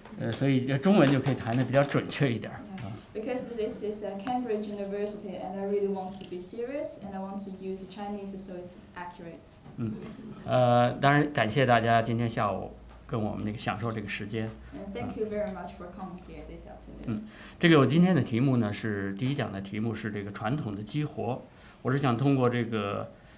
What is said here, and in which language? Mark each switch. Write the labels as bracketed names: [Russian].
[Chinese] 剑桥大学，所以我得谈的认真一点，所以中文就可以谈的比较准确一点。 [English] Because this is a Cambridge University, and I really want to be serious, and I want to use Chinese so it's accurate. [Chinese] 当然感谢大家今天下午跟我们那个享受这个时间。 [English] And thank you very much for coming here this afternoon. [Chinese] 这个我今天的题目呢是第一讲的题目是这个传统的激活，我是想通过这个。